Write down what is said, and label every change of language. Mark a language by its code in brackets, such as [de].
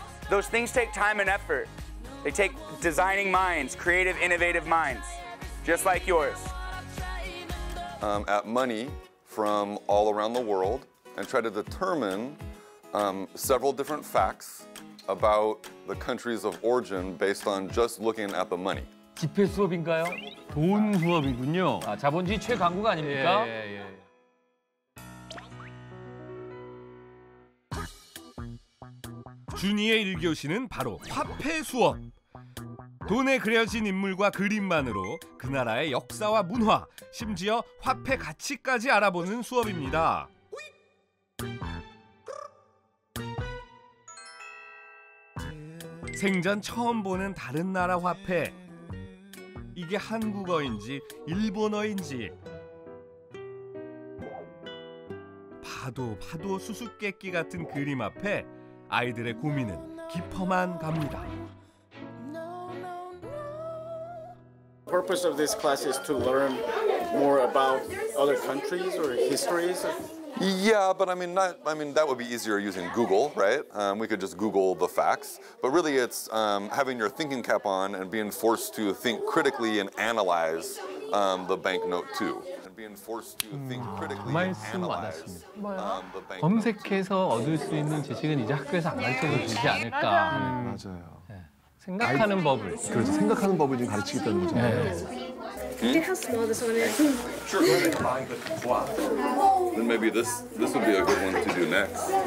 [en] Those things take time and effort. They take designing minds, creative, innovative minds, just like yours. At Money from all around the world and try to determine several different facts about the countries of origin based on just looking at the money. [ko] 지폐 수업인가요? 돈 수업이군요. 아, 자본주의 최강국 아닙니까? 예, 예, 예. 준이의 1교시는 바로 화폐 수업. 돈에 그려진 인물과 그림만으로 그 나라의 역사와 문화, 심지어 화폐 가치까지 알아보는 수업입니다. 생전 처음 보는 다른 나라 화폐. 이게 한국어인지 일본어인지. 파도 파도 수수께끼 같은 그림 앞에 아이들의 고민은 깊어만 갑니다. [en] The purpose of this class is to learn more about other countries or histories. Yeah, but I mean, not, I mean that would be easier using Google, right? We could just Google the facts. But really, it's having your thinking cap on and being forced to think critically and analyze the banknote too. And being forced to think critically and analyze the banknote. [ko] 검색해서 얻을 수 있는 지식은 이제 학교에서 안 가르쳐도 되지 않을까? 맞아요. 네. 생각하는 법을. 그렇죠. 생각하는 법을 지금 가르치겠다는 거죠. 네. [en] Then maybe this would be a good one to do next.